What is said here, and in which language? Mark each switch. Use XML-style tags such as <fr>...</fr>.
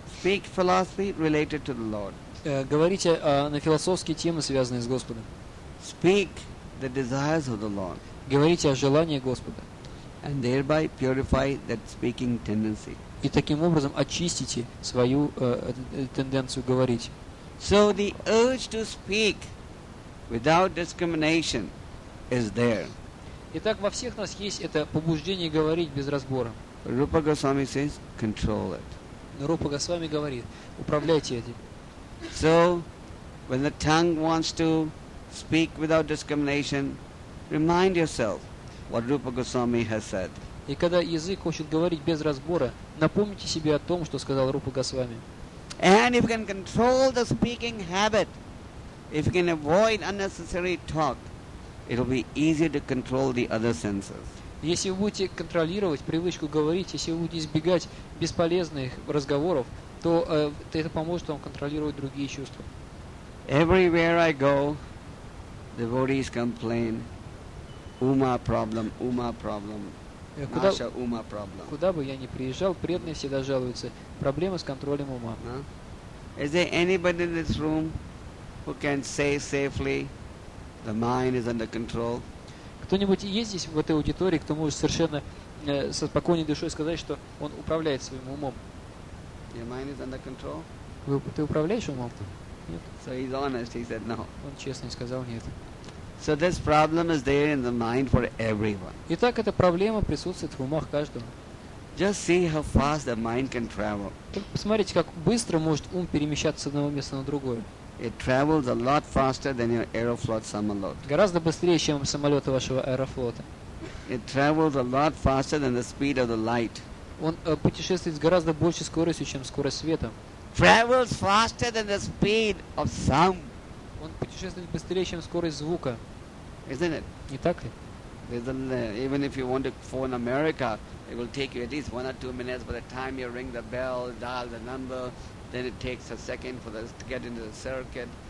<en>Speak philosophy related to the Lord.</en> <ru>Говорите на философские темы, связанные с Господом.</ru> <en>Speak the desires of the Lord.</en> <ru>Говорите о желании Господа.</ru> <en>And thereby purify that speaking tendency.</en> <ru>И таким образом очистите свою тенденцию говорить.</ru> <en>So the urge to speak without discrimination is there.</en> <ru>Итак, во всех нас есть это побуждение говорить без разбора.</ru> <en>Rupa Goswami says, control it.</en> <ru>Рупа Госвами говорит, управляйте этим.</ru> <en>So, when the tongue wants to speak without discrimination, remind yourself what Rupa Goswami has said.</en> <ru>И когда язык хочет говорить без разбора, напомните себе о том, что сказал Рупа Госвами.</ru> <en>And if you can control the speaking habit, if you can avoid unnecessary talk, it will be easier to control the other senses.</en> <ru>Если вы будете контролировать привычку говорить, если вы будете избегать бесполезных разговоров, то это поможет вам контролировать другие чувства.</ru> <en>Everywhere I go, devotees complain,</en> <ru>Uma problem, Uma problem,</ru> <en>Nasha Uma problem.</en> <ru>Куда бы я ни приезжал, преданные всегда жалуются. Проблемы с контролем ума.</ru> <en>Is there anybody in this room who can say safely, the mind is under control?</en> <ru>Кто-нибудь есть здесь в этой аудитории, кто может совершенно со спокойной душой сказать, что он управляет своим умом?</ru> <en>Your mind is under control?</en> <ru>Ты управляешь умом? Нет.</ru> <en>So he's honest, he said no.</en> <ru>Он честно сказал нет.</ru> <en>So this problem is there in the mind for everyone.</en> <ru>Итак, эта проблема присутствует в умах каждого.</ru> <en>Just see how fast the mind can travel.</en> <ru>Посмотрите, как быстро может ум перемещаться с одного места на другое.</ru> <en>It travels a lot faster than your Aeroflot</en> <ru>самолет. Гораздо быстрее, чем самолеты вашего Аэрофлота.</ru> <en>It travels a lot faster than the speed of the light.</en> <ru>Он путешествует с гораздо большей скоростью, чем скорость света.</ru> <en>Travels faster than the speed of sound.</en> <ru>Он путешествует быстрее, чем скорость звука.</ru> <en>Isn't it?</en> <ru>Не так ли?</ru> <en>Even if you want to phone America, it will take you at least 1 or 2 minutes. By the time you ring the bell, dial the number, then it takes a second for this to get into the circuit.</en>